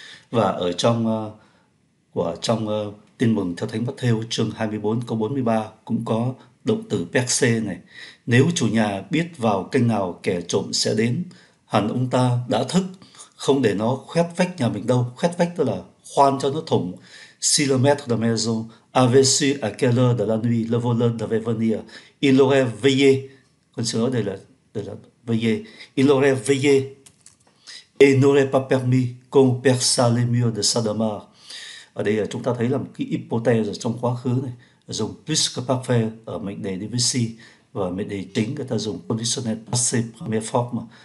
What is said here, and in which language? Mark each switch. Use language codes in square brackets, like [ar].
[vi] Và ở trong của trong Tin Mừng theo Thánh Matthêu chương 24 câu 43 cũng có động từ percer này: nếu chủ nhà biết vào kênh nào kẻ trộm sẽ đến, hẳn ông ta đã thức, không để nó khoét vách nhà mình đâu. Khoét vách tức là khoan cho nó thủng. [fr] Si le maître de maison avait su à quelle heure de la nuit le voleur devait venir, il aurait veillé. [vi] Con xin lỗi, đây là [fr] veillé. Il aurait veillé et n'aurait pas permis qu'on perçât les murs de sa demeure. [vi] Ở đây chúng ta thấy là một cái hypothèse trong quá khứ này, dùng plus que parfait ở mệnh đề DVC, và mệnh đề chính người ta dùng conditionnel passé première forme.